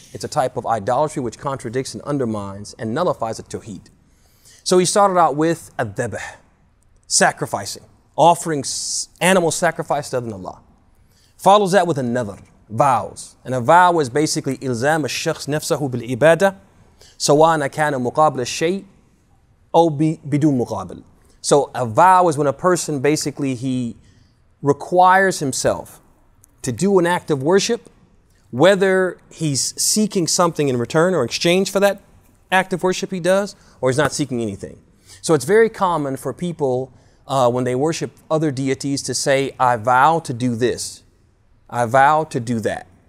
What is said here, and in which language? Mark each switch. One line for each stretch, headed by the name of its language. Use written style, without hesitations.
English: It's a type of idolatry which contradicts and undermines and nullifies a tawheed. So he started out with al-dhabh, sacrificing, offering animal sacrifice to other than Allah. Follows that with an-nadhr, vows. And a vow is basically
Arabic: ilzam al-shakhs nafsahu bil-ibadah, سواء كان مقابل الشيء أو بدون مقابل.
English: So a vow is when a person basically he requires himself to do an act of worship, whether he's seeking something in return or exchange for that act of worship he does, or he's not seeking anything. So it's very common for people when they worship other deities to say, I vow to do this, I vow to do that.